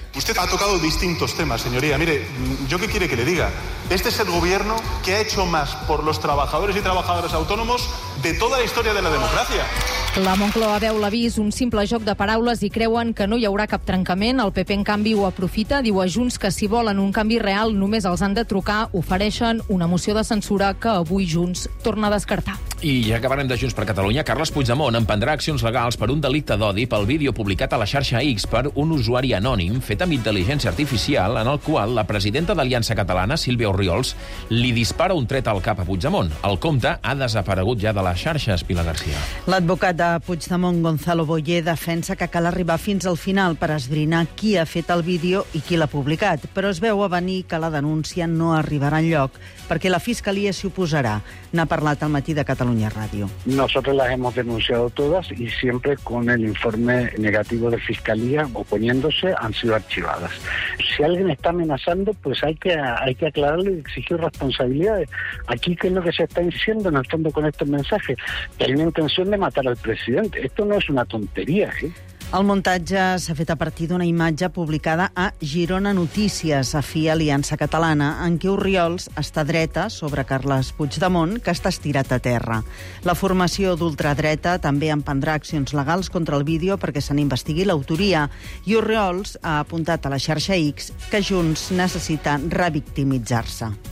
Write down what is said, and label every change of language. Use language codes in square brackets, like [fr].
[es] Usted ha tocado distintos temas, señoría. Mire, ¿yo qué quiere que le diga? Este es el gobierno que ha hecho más por los trabajadores y trabajadoras autónomos de toda la historia de la democracia. [ca] La Moncloa veu l'avís, un simple joc de paraules i creuen que no hi haurà cap trencament. El PP, en canvi, ho aprofita. Diu a Junts que si volen un canvi real només els han de trucar. Ofereixen una moció de censura que avui Junts torna a descartar. I ja acabarem de Junts per Catalunya. Carles Puigdemont emprendrà accions legals per un delicte d'odi pel vídeo publicat a la xarxa X per un usuari anònim fet amb intel·ligència artificial en el qual la presidenta d'Aliança Catalana, Sílvia Orriols, li dispara un tret al cap a Puigdemont. El compte ha desaparegut ja de la xarxa, Espila García. L'advocat de Puigdemont, Gonzalo Boye, defensa que cal arribar fins al final per esbrinar qui ha fet el vídeo i qui l'ha publicat, però es veu a venir que la denúncia no arribarà enlloc perquè la fiscalia s'hi oposarà. N'ha parlat al matí de Catalunya Ràdio. [es] Nosotros las hemos denunciado todas y siempre con el informe negativo de fiscalía oponiéndose han sido archivadas. Si alguien está amenazando, pues hay que aclararlo y exigir responsabilidades. Aquí, ¿qué es lo que se está diciendo en el fondo con este mensaje? Que hay una intención de matar al presidente. Esto no es una tontería, ¿eh? [ca] El muntatge s'ha fet a partir d'una imatge publicada a Girona Notícies, a fi Aliança Catalana, en què Orriols està dreta sobre Carles Puigdemont, que està estirat a terra. La formació d'ultradreta també emprendrà accions legals contra el vídeo perquè se n'investigui l'autoria, i Orriols ha apuntat a la xarxa X que Junts necessita revictimitzar-se.